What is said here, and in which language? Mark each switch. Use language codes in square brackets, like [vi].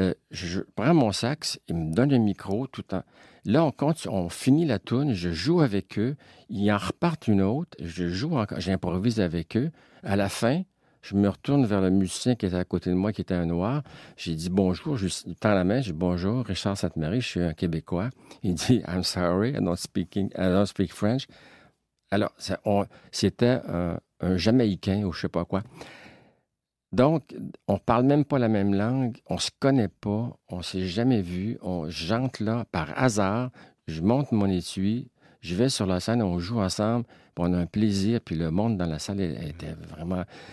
[fr] Je prends mon sax, ils me donnent le micro tout en... Là, on finit la toune, je joue avec eux, ils en repartent une autre, je joue encore, j'improvise avec eux. À la fin, je me retourne vers le musicien qui était à côté de moi, qui était un noir. J'ai dit bonjour, je lui tends la main, j'ai dit bonjour, Richard Sainte-Marie, je suis un Québécois. Il dit, [en] I'm sorry, I don't speak French. [fr] Alors, c'était un Jamaïcain ou je ne sais pas quoi. Donc, on ne parle même pas la même langue, on ne se connaît pas, on ne s'est jamais vu. J'entre là par hasard, je monte mon étui, je vais sur la scène, on joue ensemble, on a un plaisir, puis le monde dans la salle était vraiment...